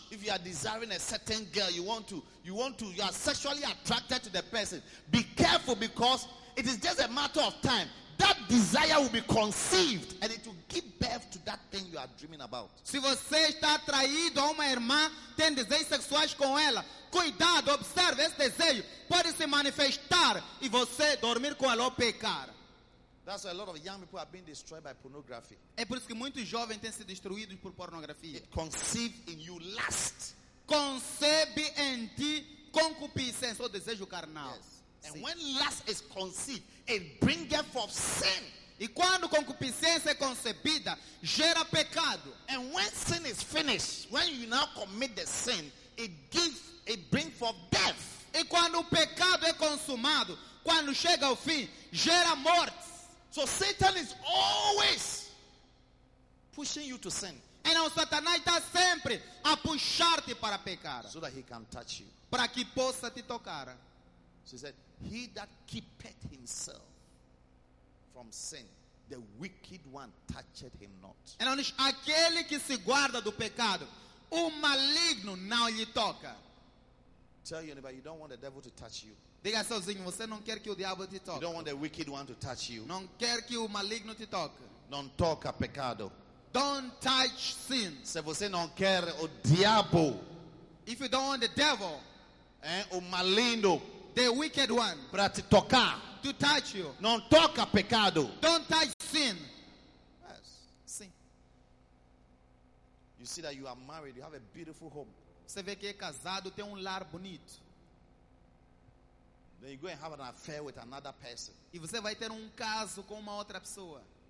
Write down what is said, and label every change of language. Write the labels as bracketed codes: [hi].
[en] if you are desiring a certain girl, you are sexually attracted to the person, be careful, because it is just a matter of time. That desire will be conceived and it will give birth to that thing you are dreaming about. [pt] Se você está atraído a uma irmã, tem desejos sexuais com ela, cuidado, observe esse desejo, pode se manifestar e você dormir com ela ou pecar. [en] That's why a lot of young people are being destroyed by pornography. [pt] É por isso que muitos jovens têm sido destruídos por pornografia. [en] It conceive in you lust. [pt] Concebe em ti concupiscência, ou desejo carnal. [en] Yes. And when lust is conceived, it bringeth forth sin. [pt] E quando concupiscência é concebida, gera pecado. [en] And when sin is finished, when you now commit the sin, it brings forth death. [pt] E quando o pecado é consumado, quando chega ao fim, gera morte. [en] So Satan is always pushing you to sin. [pt] E não, Satanás está sempre a puxar-te para pecar. [en] So that he can touch you. [pt] Para que possa te tocar. [en] So he said, he that keepeth himself from sin, the wicked one toucheth him not. [pt] E não, aquele que se guarda do pecado, o maligno não lhe toca. [en] Tell your neighbor, you don't want the devil to touch you. [pt] Diga sozinho, você não quer que o diabo te toque. [en] You don't want the wicked one to touch you. [pt] Não quer que o maligno te toque. Non toca pecado. [en] Don't touch sin. [pt] Se você não quer o diabo. [en] If you don't want the devil. [pt] O maligno. [en] The wicked one. [pt] Para te tocar. [en] To touch you. [pt] Non toca pecado. [en] Don't touch sin. Yes. [pt] Sim. [en] You see that you are married. You have a beautiful home. [pt] Você vê que é casado, tem lar bonito. [en] Then you go and have an affair with another person. [pt] E você vai ter caso com uma outra pessoa.